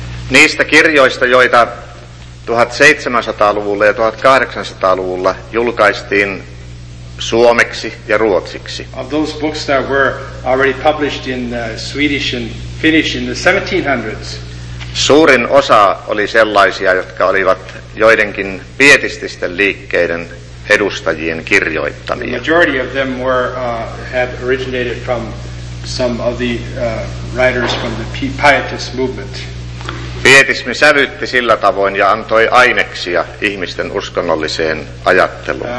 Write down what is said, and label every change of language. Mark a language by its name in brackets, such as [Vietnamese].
[Finnish] Niistä kirjoista, joita 1700-luvulla ja 1800-luvulla julkaistiin suomeksi ja ruotsiksi. [English] Of those books that were already published in Swedish and Finnish in the 1700s. [Finnish] Suurin osa oli sellaisia, jotka olivat joidenkin pietististen liikkeiden edustajien kirjoittamia. [English] The majority of them were had originated from some of the writers from the pietist movement. [Finnish] Pietismi sävytti sillä tavoin ja antoi aineksia ihmisten uskonnolliseen ajatteluun.